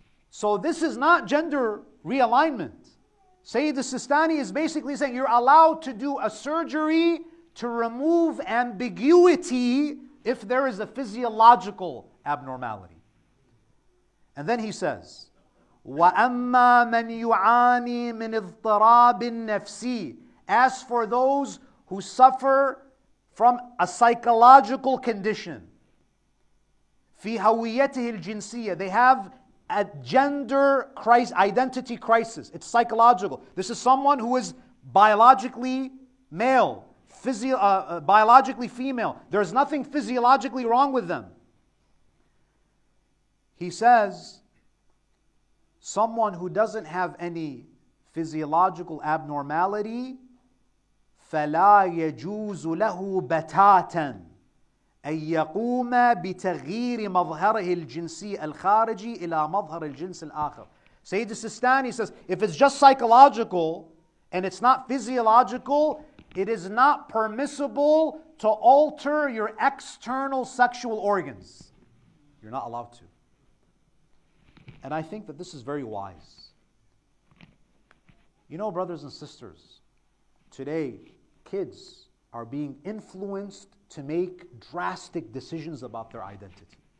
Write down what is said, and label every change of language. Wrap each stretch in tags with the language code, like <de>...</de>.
<en>So this is not gender realignment. Sayyid Sistani is basically saying you're allowed to do a surgery to remove ambiguity if there is a physiological abnormality. And then he says,</en> <ar>وَأَمَّا مَنْ يُعَانِي مِنْ اضْطَرَابٍ نَفْسِي.</ar> <en>As for those who suffer from a psychological condition,</en> <ar>فِي هَوِيَّتِهِ الْجِنْسِيَّةِ,</ar> <en>they have a gender crisis, identity crisis. It's psychological. This is someone who is biologically male, biologically female. There's nothing physiologically wrong with them. He says, someone who doesn't have any physiological abnormality,</en> <ar>فَلَا يَجُوزُ لَهُ بَتَاتًا أن يقوم بتغيير مظهره الجنسي الخارجي إلى مظهر الجنس الآخر.</ar> <en>Sayyid Sistani says, if it's just psychological and it's not physiological, it is not permissible to alter your external sexual organs. You're not allowed to. And I think that this is very wise. You know, brothers and sisters, today kids are being influenced to make drastic decisions about their identity.</en>